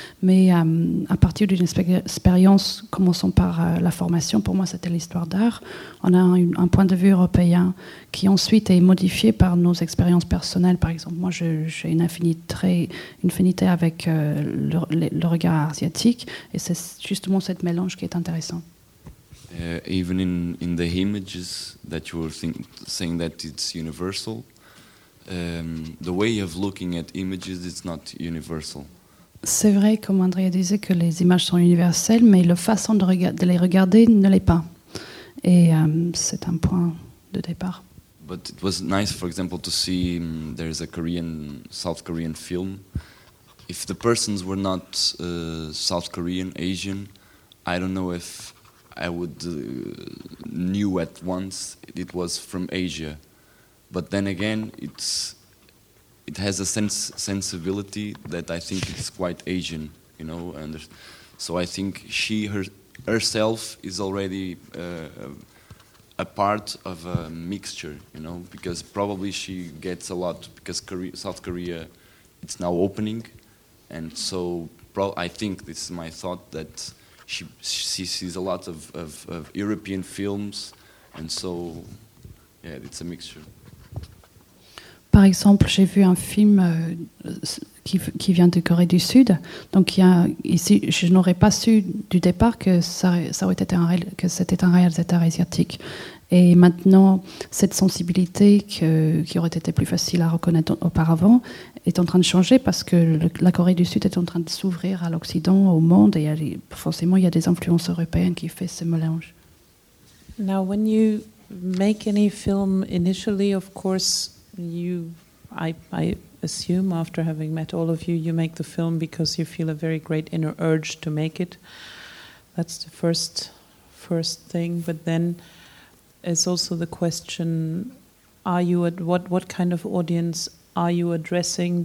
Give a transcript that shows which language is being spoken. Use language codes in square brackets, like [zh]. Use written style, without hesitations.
[fr] Mais à partir d'une expérience, commençons par la formation, pour moi c'était l'histoire d'art, on a un point de vue européen qui ensuite est modifié par nos expériences personnelles. Par exemple, moi j'ai une affinité avec le regard asiatique, et c'est justement ce mélange qui est intéressant. [en] Even in the images that you were saying that it's universal, the way of looking at images is not universal. [fr] C'est vrai, comme André disait, que les images sont universelles, mais la façon de les regarder ne l'est pas. Et c'est un point de départ. [en] But it was nice, for example, to see there's a Korean, South Korean film. If the persons were not South Korean, Asian, I don't know if I would knew at once it was from Asia. But then again, it has a sensibility that I think is quite Asian, you know. And so I think she herself is already a part of a mixture, you know, because probably she gets a lot, because South Korea, it's now opening. And so I think, this is my thought, that she sees a lot of European films, and so, yeah, it's a mixture. [fr] Par exemple, j'ai vu un film qui vient de Corée du Sud. Donc, ici, je n'aurais pas su du départ que ça aurait été que c'était un réalisateur asiatique. Et maintenant, cette sensibilité qui aurait été plus facile à reconnaître auparavant est en train de changer, parce que la Corée du Sud est en train de s'ouvrir à l'Occident, au monde, et forcément, il y a des influences européennes qui font ce mélange. [en] Now, when you make any film initially, of course, I assume, after having met all of you, you make the film because you feel a very great inner urge to make it. That's the first thing. But then it's also the question, what kind of audience are you addressing?